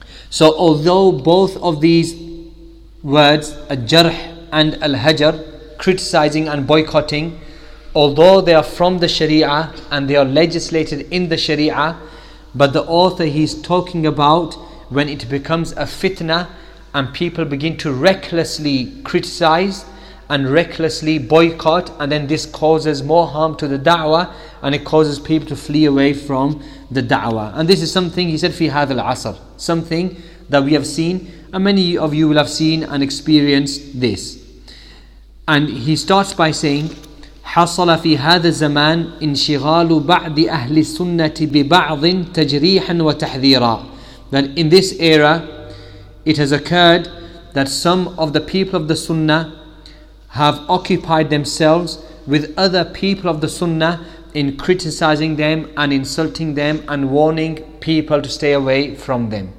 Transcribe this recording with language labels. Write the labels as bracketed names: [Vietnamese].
[English] So although both of these words, al-jarh and al-hajar, criticizing and boycotting, although they are from the sharia and they are legislated in the sharia, but the author, he's talking about when it becomes a fitna and people begin to recklessly criticize and recklessly boycott, and then this causes more harm to the da'wah and it causes people to flee away from the da'wah. And this is something he said, [Arabic] fi hadha al-asr, [English] something that we have seen, and many of you will have seen and experienced this. And he starts by saying, [Arabic] حصل في هذا الزمان انشغال بعض أهل السنة ببعض تجريحا وتحذيرا. [English] That in this era, it has occurred that some of the people of the Sunnah have occupied themselves with other people of the Sunnah in criticizing them and insulting them and warning people to stay away from them.